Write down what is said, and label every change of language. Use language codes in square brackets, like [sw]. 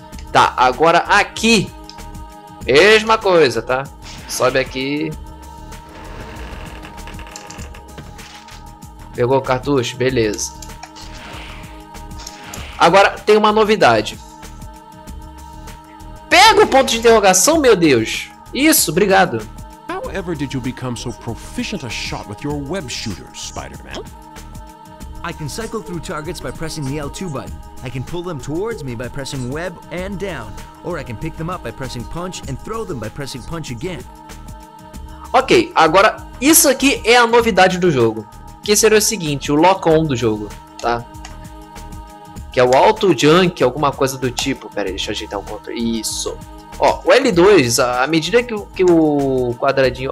[pt] Tá, agora aqui. Mesma coisa, tá? Sobe aqui. Pegou o cartucho? Beleza. Agora tem uma novidade. Pega o ponto de interrogação, meu Deus. Isso, obrigado. [en] How ever did you become so proficient a shot with your web shooter, Spider-Man? I can cycle through targets by pressing the L2 button. I can pull them towards me by pressing web and down. Or I can pick them up by pressing punch and throw them by pressing punch again. [pt] Ok, agora isso aqui é a novidade do jogo. Que seria o seguinte, o lock-on do jogo, tá? Que é o auto-junk, alguma coisa do tipo. Pera aí, deixa eu ajeitar o controle. Isso. Ó, o L2, à medida que o quadradinho...